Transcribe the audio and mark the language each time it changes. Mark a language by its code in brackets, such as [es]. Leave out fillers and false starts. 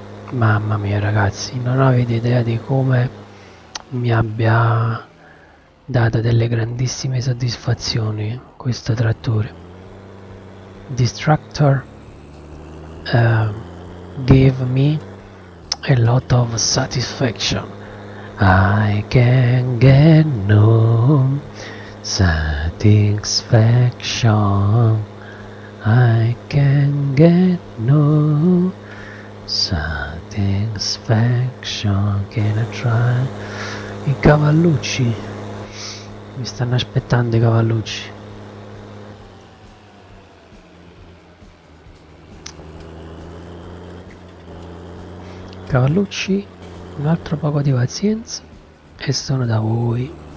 [it] Mamma mia, ragazzi, non avete idea di come mi abbia dato delle grandissime soddisfazioni questo trattore. [en] Destructor, give me a lot of satisfaction. I can get no satisfaction. I can get no satisfaction. Can I try? [it] I cavallucci mi stanno aspettando, i cavallucci. Cavallucci, un altro poco di pazienza e sono da voi.